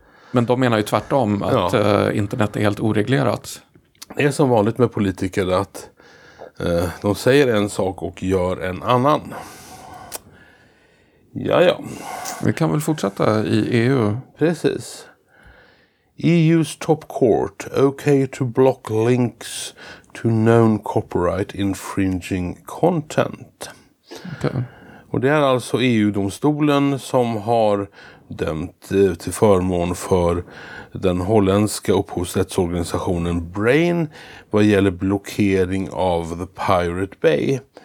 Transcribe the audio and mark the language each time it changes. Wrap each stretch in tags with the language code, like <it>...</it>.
<sv>Men de menar ju tvärtom att internet är helt oreglerat. Det är som vanligt med politiker att de säger en sak och gör en annan. Ja, ja. Vi kan väl fortsätta i EU. Precis.</sv> <en>EU's top court okay to block links to known copyright infringing content. Okay.</en> <sv>Och det är alltså EU-domstolen som har dömt till förmån för den holländska upphovsrättsorganisationen Brain vad gäller blockering av The Pirate Bay.</sv>